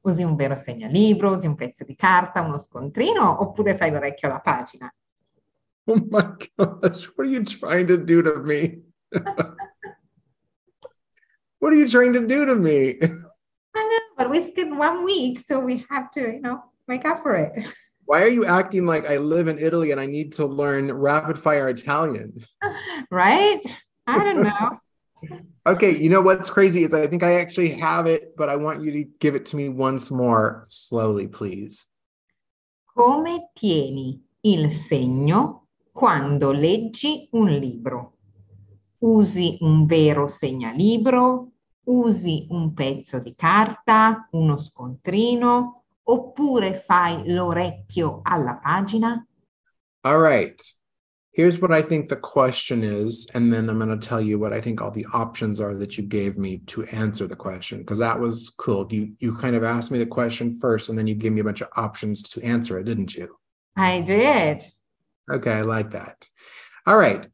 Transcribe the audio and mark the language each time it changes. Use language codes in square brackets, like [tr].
[it] Usi un vero segnalibro, usi un pezzo di carta, uno scontrino, oppure fai l'orecchio alla pagina? [en] Oh my gosh, what are you trying to do to me? What are you trying to do to me? I know, but we spent 1 week, so we have to, you know, make up for it. Why are you acting like I live in Italy and I need to learn rapid-fire Italian? Right? I don't know. Okay, you know what's crazy is I think I actually have it, but I want you to give it to me once more, slowly, please. [it] Come tieni il segno quando leggi un libro? Usi un vero segnalibro? Usi un pezzo di carta, uno scontrino, oppure fai l'orecchio alla pagina? [en] All right. Here's what I think the question is, and then I'm going to tell you what I think all the options are that you gave me to answer the question, because that was cool. You kind of asked me the question first, and then you gave me a bunch of options to answer it, didn't you? I did. Okay, I like that. All right.